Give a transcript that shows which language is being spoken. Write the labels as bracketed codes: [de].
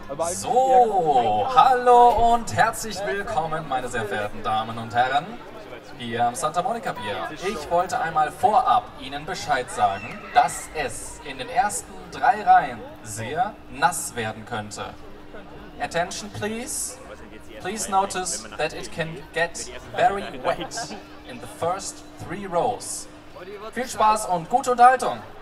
[de] So, hallo und herzlich willkommen, meine sehr verehrten Damen und Herren, hier am Santa Monica Bier. Ich wollte einmal vorab Ihnen Bescheid sagen, dass es in den ersten drei Reihen sehr nass werden könnte. [en] Attention, please. Please notice that it can get very wet in the first three rows. [de] Viel Spaß und gute Unterhaltung.